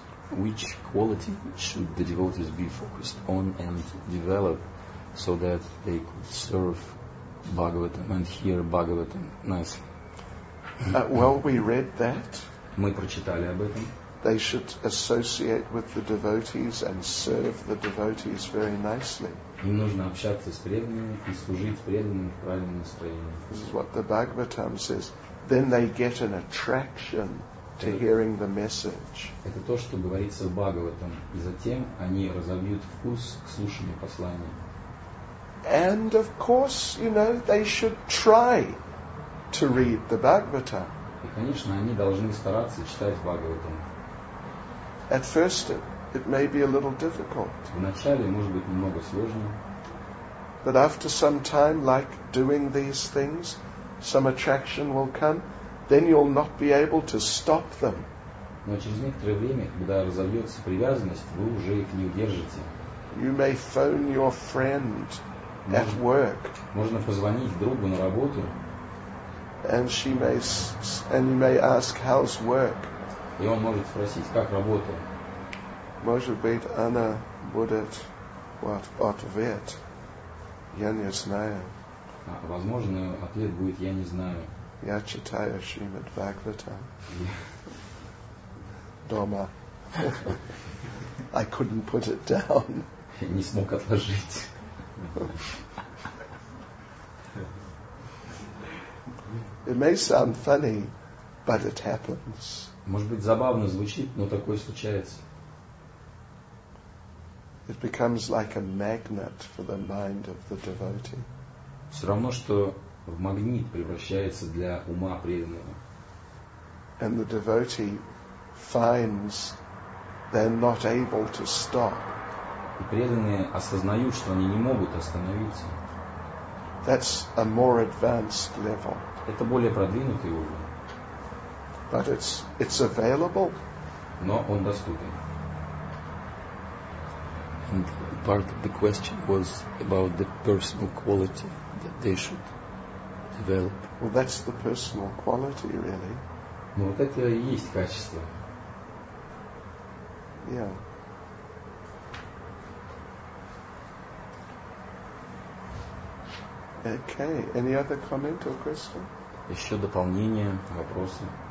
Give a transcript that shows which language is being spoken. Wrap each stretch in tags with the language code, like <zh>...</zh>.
<en>Which quality should the devotees be focused on and develop so that they could serve Bhagavatam and hear Bhagavatam nicely? Well, we read that.</en> <ru>Мы прочитали об этом.</ru> <en>They should associate with the devotees and serve the devotees very nicely.</en> <ru>Им нужно общаться с преданными и служить преданным в правильном настроении.</ru> <en>This is what the Bhagavatam says. Then they get an attraction to hearing the message.</en> <ru>Это то, что говорится в Бхагаватам, и затем они разобьют вкус к слушанию послания.</ru> <en>And of course, you know, they should try to read the Bhagavatam.</en> <ru>И, конечно, они должны стараться читать Бхагаватам.</ru> <en>At first, it may be a little difficult.</en> <ru>Вначале может быть немного сложно.</ru> <en>But after some time, like doing these things, some attraction will come. Then you'll not be able to stop them.</en> <ru>Но через некоторое время, когда разовьется привязанность, вы уже их не удержите.</ru> <en>You may phone your friend at work.</en> <ru>Можно позвонить другу на работу.</ru> <en>And she may you may ask, "How's work?"</en> <ru>И он может спросить, как работа. Может быть, она будет вот ответ. Я не знаю. А, возможно, ответ будет "Я не знаю". Я читаю Шримад Бхагаватам. Дома.</ru> <en>I couldn't put it down.</en> <ru>Я не смог отложить.</ru> <en>It may sound funny, but it happens.</en> <ru>Может быть, забавно звучит, но такое случается.</ru> <en>It becomes like a magnet for the mind of the devotee.</en> <ru>Все равно, что в магнит превращается для ума преданного.</ru> <en>And the devotee finds they're not able to stop.</en> <ru>И преданные осознают, что они не могут остановиться.</ru> <en>That's a more advanced level.</en> <ru>Это более продвинутый уровень.</ru> <en>But it's available.</en> <ru>Но он доступен.</ru> <en>And part of the question was about the personal quality that they should develop. Well, that's the personal quality, really.</en> <ru>Ну, вот это и есть качество.</ru> <en>Yeah. Okay. Any other comment or question?</en> <ru>Еще дополнение, вопросы.</ru>